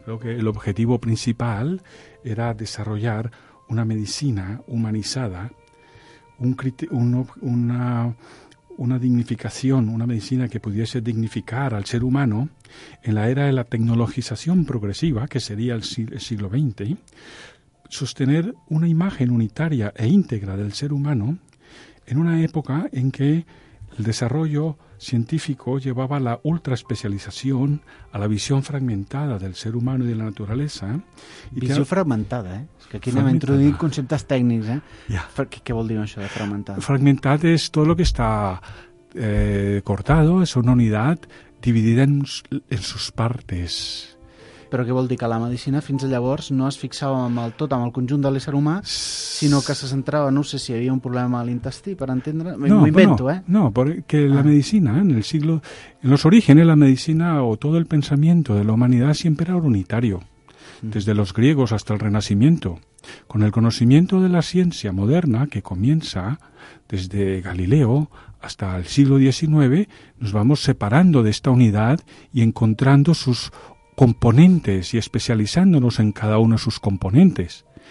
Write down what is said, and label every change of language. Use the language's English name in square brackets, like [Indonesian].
[Spanish] Creo que el objetivo principal era desarrollar una medicina humanizada, una dignificación, una medicina que pudiese dignificar al ser humano en la era de la tecnologización progresiva, que sería el siglo XX, sostener una imagen unitaria e íntegra del ser humano en una época en que el desarrollo científico llevaba la ultraespecialización a la visión fragmentada del ser humano y de la naturaleza. Visión fragmentada, [Catalan] Es que aquí anem a introduir conceptes tècnics, Què vol dir això de fragmentada? Fragmentat és tot el que està [Spanish] cortado, [Catalan] és una unitat dividida en [Spanish] sus partes. [Catalan] però què vol dir? Que la medicina fins a llavors no es fixava en el tot, en el conjunt de l'ésser humà, sinó que se centrava, no sé si hi havia un problema a l'intestí, per entendre, no, m'ho invento, eh? [Spanish] No, perquè la medicina, en el siglo, en los orígenes, la medicina o todo el pensamiento de la humanidad siempre era unitario, desde los griegos hasta el Renacimiento. Con el conocimiento de la ciencia moderna, que comienza desde Galileo hasta el siglo XIX, nos vamos separando de esta unidad y encontrando sus componentes y especializándonos en cada uno de sus componentes.